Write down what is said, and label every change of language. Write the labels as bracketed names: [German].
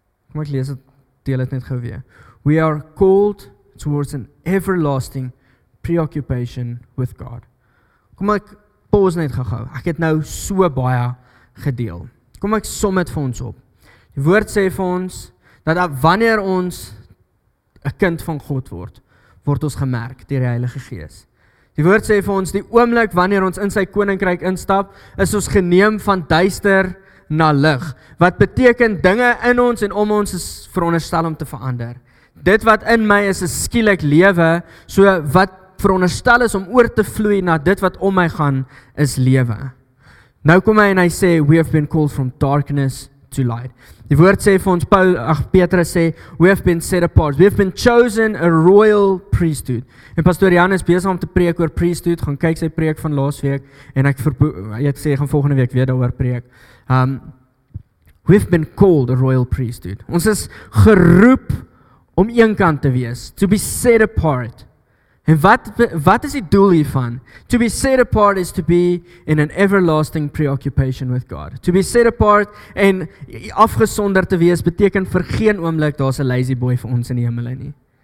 [Afrikaans] Kom ek lees het, deel het net gauw weer. [English] We are called towards an everlasting preoccupation with God. [Afrikaans] Kom ek pause net gauw, ek het nou so baie gedeel. Kom ek som het vir ons op. Die woord sê vir ons, dat wanneer ons een kind van God word, word ons gemerk deur die Heilige Gees. Die woord sê vir ons, die oomblik wanneer ons in sy koninkryk instap, is ons geneem van duister na lig. Wat beteken, dinge in ons en om ons is veronderstel om te verander. Dit wat in my is, is skielik lewe, so wat veronderstel is om oor te vloei na dit wat om my gaan, is lewe. Nou kom hy en hy sê, we have been called from darkness to light. Die woord sê vir ons, Petrus sê, we have been set apart, we have been chosen a royal priesthood. En pastoor Jan is bezig om te preek oor priesthood, gaan kyk sy preek van laas week, en ek sê, gaan volgende week weer daar oor preek. [English] We have been called a royal priesthood. [Afrikaans] Ons is geroep om een kant te wees, to be set apart. En wat is die doel hiervan? [English] To be set apart is to be in an everlasting preoccupation with God. [Afrikaans] To be set apart en afgesonder te wees, beteken vir geen oomblik, daar's 'n lazy boy vir ons in die hemel nie.